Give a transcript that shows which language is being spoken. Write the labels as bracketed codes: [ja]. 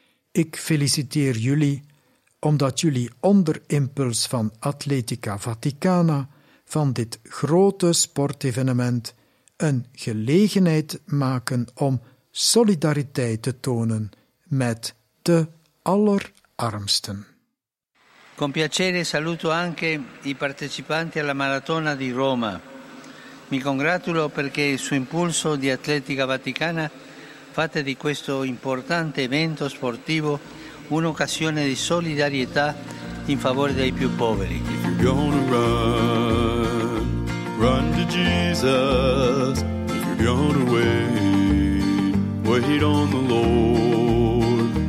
[nl] Ik feliciteer jullie, omdat jullie onder impuls van Atletica Vaticana van dit grote sportevenement een gelegenheid maken om solidariteit te tonen met de allerarmsten. [it] Con piacere saluto anche i partecipanti alla Maratona di Roma. Mi congratulo perché su impulso di Atletica Vaticana fate di questo importante evento sportivo un'occasione di solidarietà in favore dei più poveri. [en] If you're gonna run, run to Jesus. If you're gonna wait, wait on the Lord.